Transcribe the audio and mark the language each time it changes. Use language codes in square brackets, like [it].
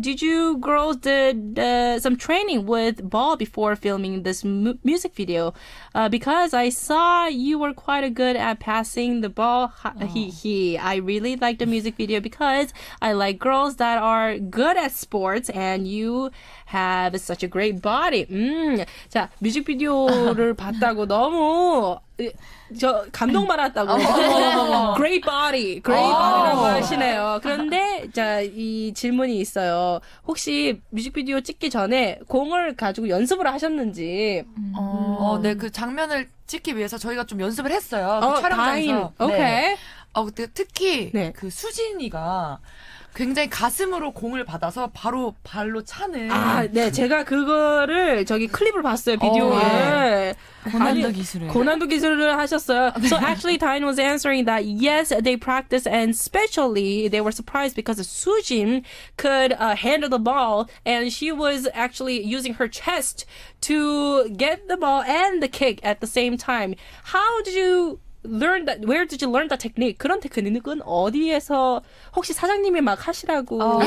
[en] Did you girls did some training with ball before filming this music video? Because I saw you were quite good at passing the ball. I really like the music video because I like girls that are good at sports and you have such a great body. [ko] 자, 뮤직비디오를 봤다고 너무 저 감동 받았다고. [en] great body. Great body라고 [ko] 하시네요. 그런데 자, 이 질문이 있어요. 혹시 뮤직비디오 찍기 전에 공을 가지고 연습을 하셨는지. 네, 그 장면을 찍기 위해서 저희가 좀 연습을 했어요. 그 촬영장에서. 오케이. 그때 특히 네. 그 수진이가 굉장히 가슴으로 공을 받아서 바로 발로 차는. 아, 네. 제가 그거를 저기 클립을 봤어요. 비디오를. 고난도 기술을. 고난도 기술을 하셨어요. [en] So actually, Dain was answering that yes, they practiced and especially they were surprised because Sujin could handle the ball and she was actually using her chest to get the ball and the kick at the same time. How did you learn that? Where did you learn that technique? [ko] 그런 테크닉은 어디에서 혹시 사장님이 막 하시라고?